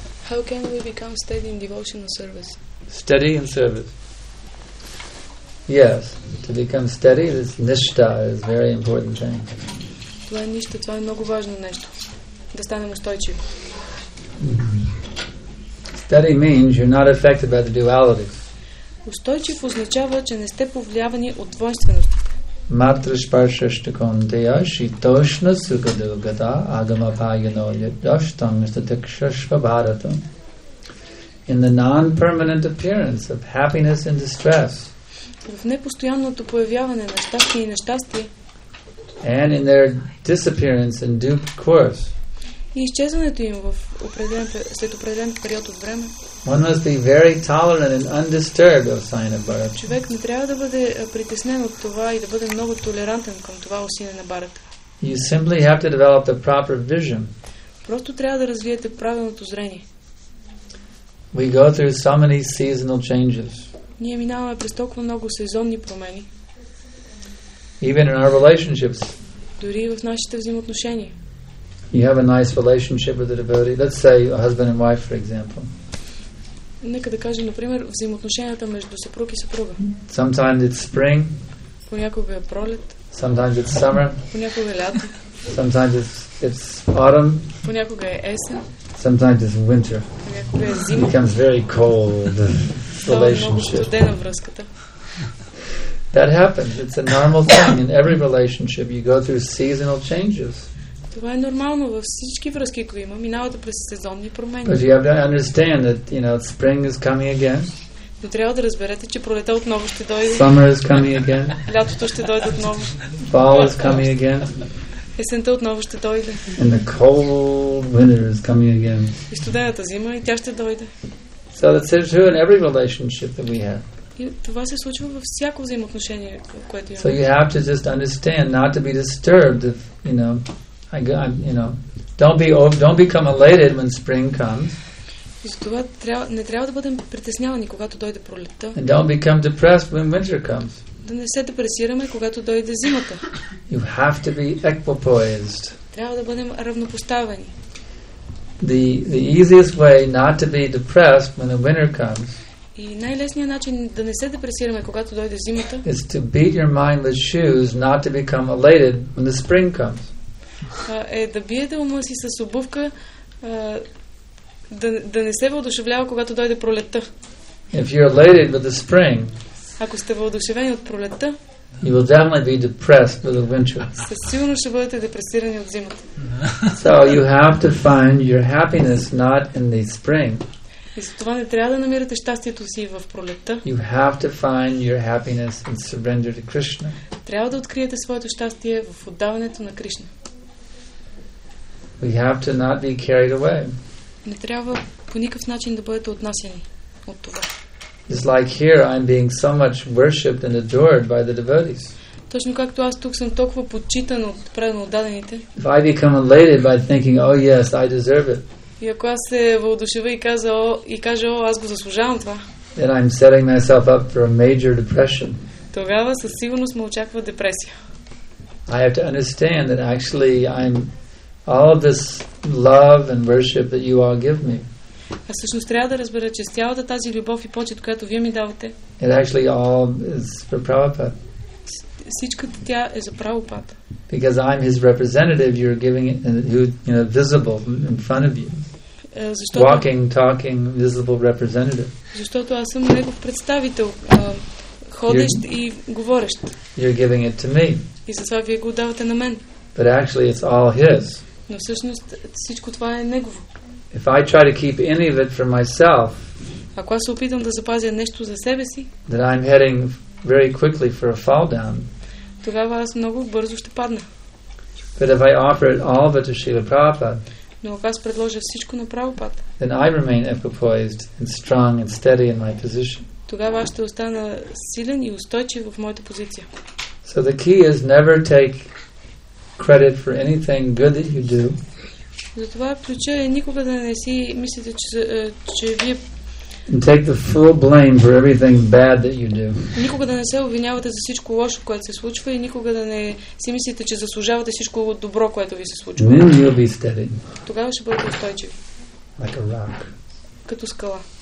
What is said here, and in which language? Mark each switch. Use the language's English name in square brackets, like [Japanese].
[English] How can we become steady in devotional service? Steady in service. Yes, to become steady, this nishta is very important thing. [Bulgarian] Това е нищо, това е много важно нещо. Да станем устойчиви. [English] Steady means you're not affected by the dualities. [Bulgarian] Устойчив означава, че не сте повлиявани от двойственостите. [Sanskrit] Matra sparsha shtakondeya shitoshna sukadugata agama payano yadashtam stadakshashva bharata. [English] In the non-permanent appearance of happiness and distress. [Bulgarian] В непостоянното появяване на щастие и нещастие. [English] And in their disappearance in due course. [Bulgarian] И изчезването им след определен период от време. [English] One must be very tolerant and undisturbed of Sina Bharata. [Bulgarian] Човек не трябва да бъде притеснен от това и да бъде много толерантен към това усилие на Бхарата. [English] You simply have to develop the proper vision. [Bulgarian] Просто трябва да развиете правилното зрение. [English] We go through so many seasonal changes. [Bulgarian] Ние минаваме през толкова много сезонни промени. [English] Even in our relationships. [Bulgarian] Дори в нашите взаимоотношения. [English] You have a nice relationship with a devotee. Let's say a husband and wife, for example. [Bulgarian] Нека да кажем, например, взаимоотношенията между съпруг и съпруга. [English] Sometimes it's spring. [Bulgarian] Понякога е пролет. [English] Sometimes it's summer. [Bulgarian] Понякога е лято. [English] Sometimes it's autumn. [Bulgarian] Понякога е есен. [English] Sometimes it's winter. [Bulgarian] Понякога е зима. [English] It becomes very cold relationship. [Bulgarian] Това е много студена връзката. [English] That happens. It's a normal thing in every relationship. You go through seasonal changes. [Bulgarian] Това е нормално във всички връзки, които има, минавате през сезонни промени. [English] But you have to understand that, you know, spring is coming again. [Bulgarian] Но трябва да разберете, че пролетта отново ще дойде. [English] Summer is coming again. [Bulgarian] Лятото ще дойде отново. [English] Fall is coming again. [Bulgarian] Есента отново ще дойде. [English] And the cold winter is coming again. [Bulgarian] И студената зима и тя ще дойде. [English] So that's true in every relationship that we have. [Bulgarian] И това се случва във всяко взаимоотношение, което имаме. [English] So you have to just understand not to be disturbed, if, you know. Don't become elated when spring comes. [Bulgarian] Затова не трябва да бъдем притеснявани, когато дойде пролетта. [English] And don't become depressed when winter comes. [Bulgarian] Да не се депресираме, когато дойде зимата. [English] You have to be equipoised. [Bulgarian] Трябва да бъдем равнопоставени. [English] The easiest way not to be depressed when the winter comes. [Bulgarian] И най-лесният начин да не се депресираме, когато дойде зимата. [English] Is to beat your mind with shoes, not to become elated when the spring comes. [Bulgarian] Е да биете ума си с обувка, да не се въодушевлява, когато дойде пролетта. [English] If you're elated with the spring, [Bulgarian] ако сте въодушевени от пролетта, [English] you will definitely be depressed with the winter. [Bulgarian] Със сигурност ще бъдете депресирани от зимата. [English] So you have to find your happiness not in the spring. [Bulgarian] И за това не трябва да намирате щастието си в пролетта. [English] You have to find your happiness in surrender to Krishna. [Bulgarian] Трябва да откриете своето щастие в отдаването на Кришна. [English] We have to not be carried away. [Bulgarian] Не трябва по никакъв начин да бъдете отнасяни от това. [English] It's like here I'm being so much worshipped and adored by the devotees. [Bulgarian] Точно както аз тук съм толкова почитан от правилно отдадените. [English] If I become elated by thinking, oh yes, I deserve it. [Bulgarian] И ако аз се въодушевя и кажа, аз го заслужавам това. [English] Then I'm setting myself up for a major depression. [Bulgarian] Тогава със сигурност ме очаква депресия. [English] I have to understand that actually I'm all of this love and worship that you all give me. [Bulgarian] А всъщност трябва да разбера, че цялата тази любов и почет, която вие ми давате, [English] it actually all is for Prabhupada. [Bulgarian] Всичката тя е за Прабхупад. [English] Because I'm his representative, you're giving it, you know, visible in front of you. [Bulgarian] Защото [English] walking, talking, visible representative. [Bulgarian] Защото аз съм негов представител, ходещ и говорещ. [English] You're giving it to me. [Bulgarian] И затова вие го давате на мен. [English] But actually it's all his. [Bulgarian] Но всъщност всичко това е негово. [English] If I try to keep any of it for myself, [Bulgarian] ако аз се опитам да запазя нещо за себе си, [English] then I'm heading very quickly for a fall down. [Bulgarian] Тогава аз много бързо ще падна. [English] But if I offer it all of it to Srila Prabhupada, [Bulgarian] но ако аз предложа всичко на Прабхупада, [English] then I remain equipoised and strong and steady in my position. [Bulgarian] Тогава аз ще остана силен и устойчив в моята позиция. [English] So the key is never take credit for anything good that you do. [Bulgarian] Затова ключа е никога да не си мислите, че вие. [English] And take the full blame for everything bad that you do. [Bulgarian] Никога да не се обвинявате за всичко лошо, което се случва, и никога да не си мислите, че заслужавате всичко добро, което ви се случва. [English] Then you'll be steady. [Bulgarian] Тогава ще бъдете устойчиви. [English] Like a rock. [Bulgarian] Като скала.